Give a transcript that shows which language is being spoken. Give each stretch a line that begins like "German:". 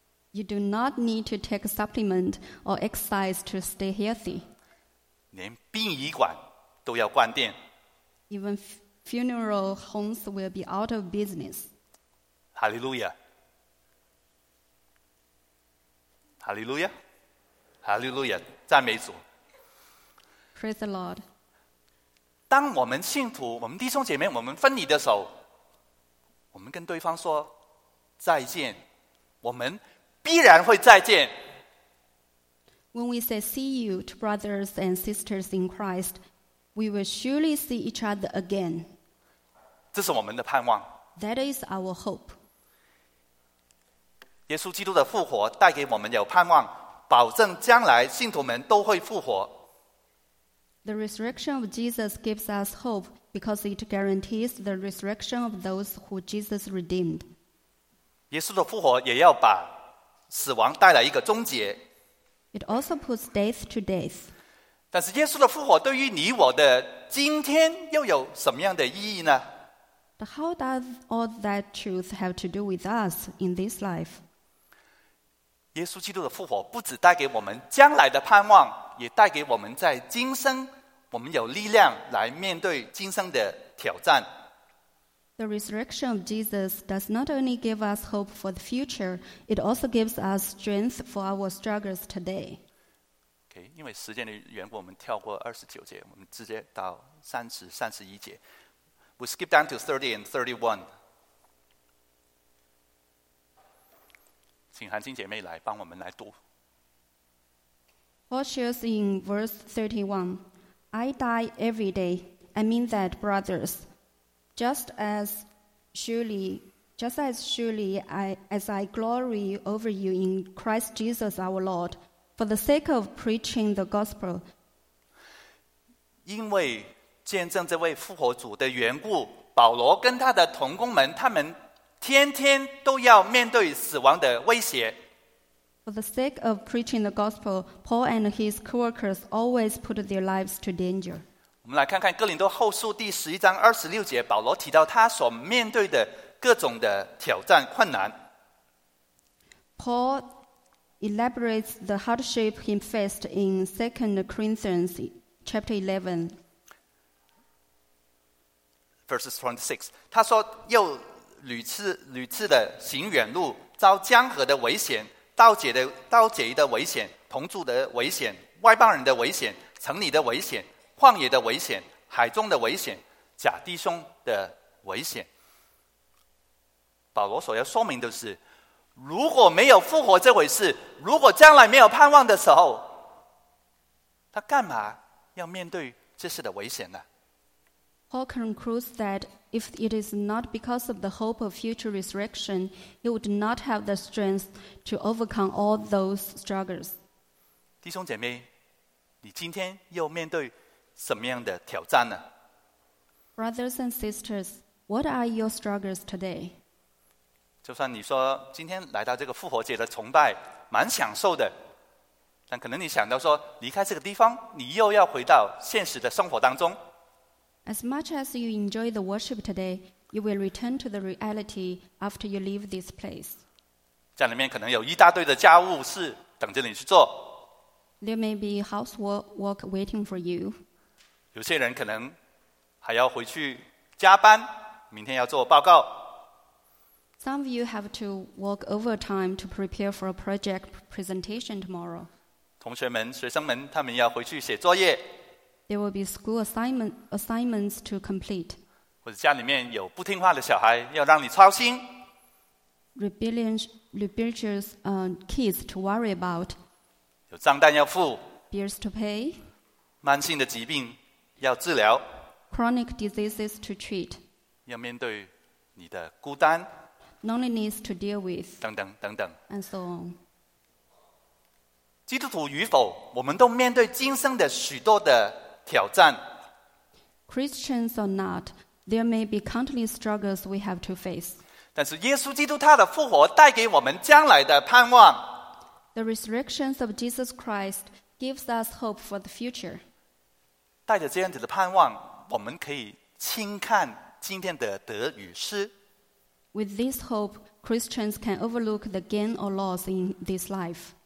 English: You do not need to take a supplement or exercise to stay healthy.
Chinese: 连殡仪馆都要关店。
English: Even funeral homes will be out of business. Hallelujah. Hallelujah. Hallelujah.
Chinese: 赞美主。
English: Praise the Lord.
Chinese: 当我们信徒，我们弟兄姐妹，我们分离的时候，我们跟对方说再见，我们必然会再见。
English: When we say see you to brothers and sisters in Christ, we will surely see each other again.
Chinese: 这是我们的盼望。
English: That is our hope.
Chinese: 耶稣基督的复活带给我们有盼望，保证将来信徒们都会复活。
English: The resurrection of Jesus gives us hope because it guarantees the resurrection of those who Jesus redeemed.
Chinese: 耶稣的复活也要把死亡带来一个终结。
English: It also puts death to death.
Chinese: 但是耶稣的复活对于你我的今天又有什么样的意义呢？
English: But how does all that truth have to do with us in this life?
Chinese: 耶稣基督的复活不只带给我们将来的盼望，也带给我们在今生我们有力量来面对今生的挑战。
English: The resurrection of Jesus does not only give us hope for the future, it also gives us strength for our struggles today.
Chinese: Okay, 因为时间的缘故，我们跳过29节，我们直接到30-31节。
English: We skip down to 30 and 31.
Chinese: 请韩青姐妹来帮我们来读。
English: Paul shares in verse 31, I die every day, I mean that, brothers. Just as surely I glory over you in Christ Jesus our Lord, for the sake of preaching the gospel.
Chinese: 因为见证这位复活主的缘故，保罗跟他的同工们，他们天天都要面对死亡的威胁。
English: For the sake of preaching the gospel, Paul and his co-workers always put their lives to danger.
Chinese: 我们来看看哥林多后书第11:26，保罗提到他所面对的各种的挑战困难。
English: Paul elaborates the hardship he faced in 2 Corinthians chapter 11. Verses 26,
Chinese: 他说又屡次的行远路，遭江河的危险，盗贼的危险，同住的危险，外邦人的危险，城里的危险，旷野的危险，海中的危险，假弟兄的危险。保罗所要说明的是，如果没有复活这回事，如果将来没有盼望的时候，他干嘛要面对这些的危险呢？
English: Paul concludes that if it is not because of the hope of future resurrection, he would not have the strength to overcome all those struggles.
Chinese: 弟兄姐妹，你今天又面对什么样的挑战呢？
English: Brothers and sisters, what are your struggles today?
Chinese: 就算你说今天来到这个复活节的崇拜蛮享受的，但可能你想到说离开这个地方你又要回到现实的生活当中。
English: As much as you enjoy the worship today, you will return to the reality after you leave this place.
Chinese: 家里面可能有一大堆的家务事等着你去做。
English: There may be housework waiting for you.
Chinese: 有些人可能还要回去加班，明天要做报告。
English: Some of you have to work overtime to prepare for a project presentation tomorrow.
Chinese: 同学们、学生们，他们要回去写作业。
English: There will be school assignments to complete.
Chinese: 或者家里面有不听话的小孩，要让你操心。
English: Rebellious kids to worry about.
Chinese: 有账单要付。
English: Bills to pay.
Chinese: 慢性的疾病。要治疗
English: chronic diseases to treat,
Chinese: 要面对你的孤单
English: loneliness to deal with,
Chinese: 等等等等
English: and so on.
Chinese: 基督徒与否，我们都面对今生的许多的挑战。
English: Christians or not, there may be countless struggles we have to face.
Chinese: 但是耶稣基督他的复活带给我们将来的盼望。
English: The resurrection of Jesus Christ gives us hope for the future.
Chinese: 带着这样子的盼望，我们可以轻看今天的得与失。
English: With this hope, Christians can overlook the gain or loss in this life.